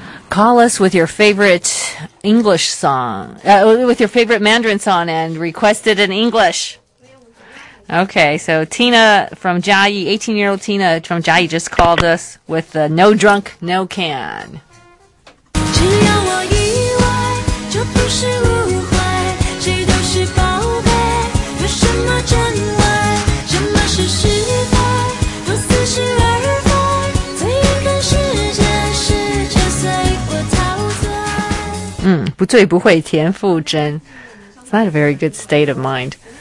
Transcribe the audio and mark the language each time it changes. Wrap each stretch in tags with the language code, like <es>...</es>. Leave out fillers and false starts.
<en>Call us with your favorite English song, with your favorite Mandarin song, and request it in English. Okay, so Tina from Jiayi, 18-year-old Tina from Jiayi just called us with the No Drunk, No Can.</en> <zh>只要我意外，就不是误会，谁都是宝贝，有什么真爱，什么是失败，都似是而非。不醉不会田馥甄。</zh> <en>It's not a very good state of mind.</en>